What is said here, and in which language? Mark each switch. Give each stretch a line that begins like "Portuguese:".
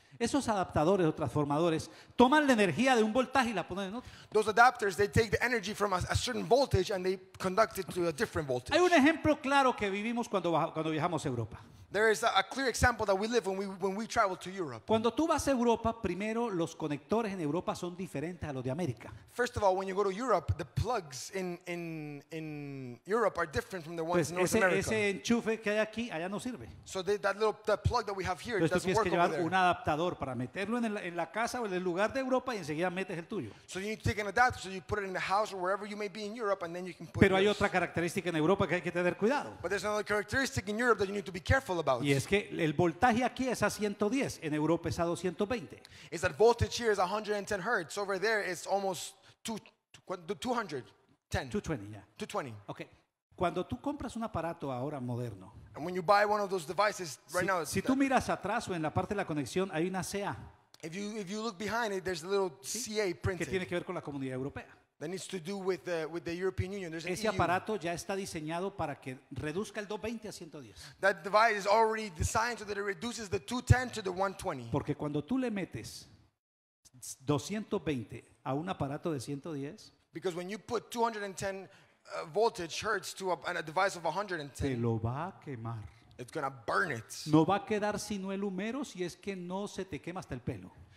Spanish: Esos adaptadores o transformadores toman la energía de un voltaje y la ponen en otro.
English: Those adapters, they take the energy from a certain voltage and they conduct it to a different voltage.
Spanish: Hay un ejemplo claro que vivimos cuando viajamos a Europa.
English: There is a clear example that we live when we travel to Europe.
Spanish: Cuando tú vas a Europa, primero los conectores en Europa son diferentes a los de América.
English: First of all, when you go to Europe, the plugs in Europe are different from the ones in North America.
Spanish: Ese enchufe que hay aquí allá no sirve.
English: So that plug that we have here doesn't work over there.
Spanish: Tienes que llevar un adaptador para meterlo en la casa o en el lugar de Europa y enseguida metes el tuyo.
English: So you need to take an adapter so you put it in the house or wherever you may be in Europe and then you can put it.
Spanish: Pero hay otra característica en Europa que hay que tener cuidado.
English: But there's another characteristic in Europe that you need to be careful.
Spanish: Y es que el voltaje aquí es a 110, en Europa es a 220.
English: Is that voltage here is 110 hertz, over there it's almost 220.
Spanish: Okay. Cuando tú compras un aparato ahora moderno,
English: and when you buy one of those devices right
Spanish: si,
English: now,
Spanish: si tú miras atrás o en la parte de la conexión hay una CA.
English: If you look behind it, there's a little ¿sí? CA printed.
Spanish: Que tiene que ver con la comunidad europea.
English: That needs to do with the European Union. There's an
Spanish: ese aparato ya está diseñado para que reduzca el 220 a 110.
English: That device is already designed so that it reduces the 210 to the 120.
Spanish: Porque cuando tú le metes 220 a un aparato de 110,
English: because when you put 210 voltage hertz to a device of 110,
Spanish: te lo va a quemar.
English: It's gonna burn it.
Spanish: No va a quedar sino el humero si es que no se te quema hasta el pelo.